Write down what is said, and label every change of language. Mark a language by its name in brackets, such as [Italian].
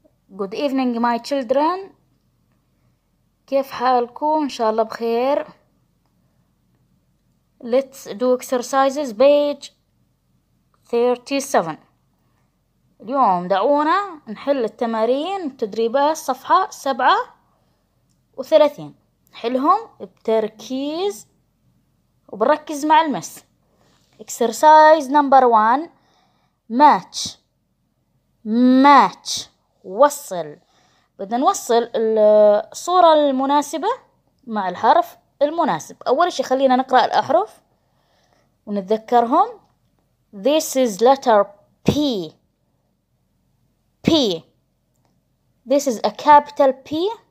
[English] Good evening, my children. [Arabic] كيف حالكم؟ إن شاء الله بخير. [English] Let's do exercises, page 37. [Arabic] اليوم دعونا نحل التمارين التدريبات صفحة 37. نحلهم بتركيز وبركز مع المس. [English] Exercise number one, match. Match. [Arabic] وصل. بدنا نوصل الصورة المناسبة مع الحرف المناسب. أول شيء خلينا نقرأ الأحرف ونتذكرهم. [English] This is letter P. P. This is a capital P.